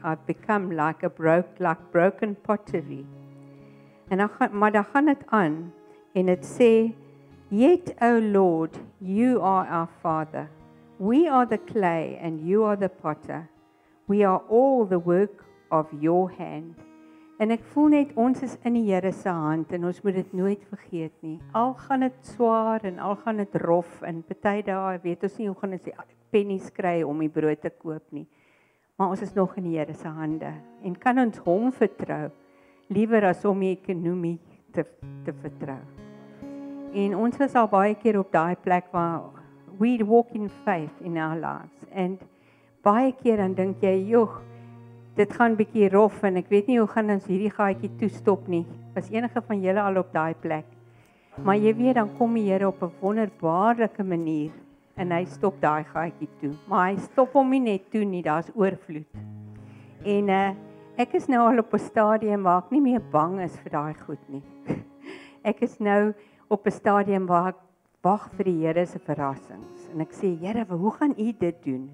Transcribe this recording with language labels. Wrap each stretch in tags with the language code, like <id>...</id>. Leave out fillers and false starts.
<en>I've become like broken pottery.</en> <af>En dan gaan het aan en het sê</af> <en>Yet, O Lord, you are our Father. We are the clay and you are the potter. We are all the work of your hand.</en> <af>En ek voel net ons is in die Here se hand en ons moet dit nooit vergeet nie. Al gaan dit swaar en al gaan dit rof en party dae weet ons nie hoe gaan ons die pennies kry om die brood te koop nie. Maar ons is nog in die Here se hande en kan ons hom vertrou liewer as om die ekonomie te vertrou. En ons was al baie keer op daai plek waar</af> <en>we walk in faith in our lives</en> <af>en baie keer dan dink jy joh dit gaan bietjie rof en ek weet nie hoe gaan ons hierdie gaatjie toestop nie. Was enige van julle al op daai plek? Maar jy weet dan kom die Here op 'n wonderbaarlike manier en hy stop daai gaatjie toe. Maar hy stop hom nie net toe nie, daar's oorvloed. En ek is nou al op 'n stadium waar ek nie meer bang is vir daai goed nie. Ek is nou op 'n stadium waar ek wag vir die Here se verrassings en ek sê Here, hoe gaan U dit doen?</af>